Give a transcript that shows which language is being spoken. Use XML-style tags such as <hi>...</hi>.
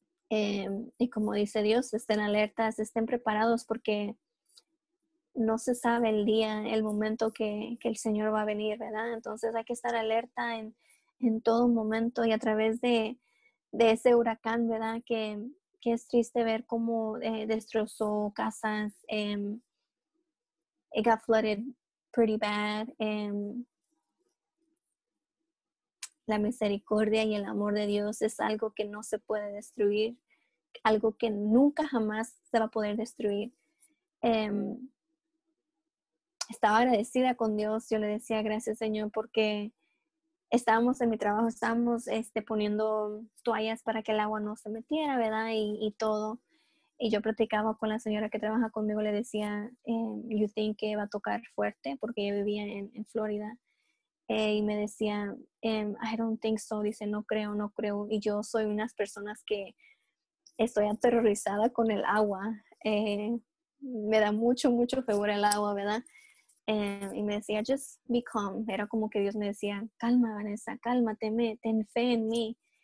<es>Y como dice Dios, estén alertas, estén preparados porque no se sabe el día, el momento que el Señor va a venir, ¿verdad? Entonces hay que estar alerta en todo momento y a través de ese huracán, ¿verdad? Que es triste ver cómo destrozó casas.</es> <en>It got flooded pretty bad.</en> <es>La misericordia y el amor de Dios es algo que no se puede destruir, algo que nunca jamás se va a poder destruir. Estaba agradecida con Dios. Yo le decía gracias, Señor, porque estábamos en mi trabajo, estábamos poniendo toallas para que el agua no se metiera, ¿verdad? Y todo. Y yo platicaba con la señora que trabaja conmigo, le decía,</es> <en>you think</en> <es>que va a tocar fuerte, porque ella vivía en Florida. Y me decía,</es> <en>I don't think so.</en> <es>Dice, no creo. Y yo soy unas personas que estoy aterrorizada con el agua. Me da mucho, mucho fervor el agua, ¿verdad? Y me decía,</es> <en>just be calm.</en> <es>Era como que Dios me decía, calma, Vanessa, cálmate, ten fe en mí.</es>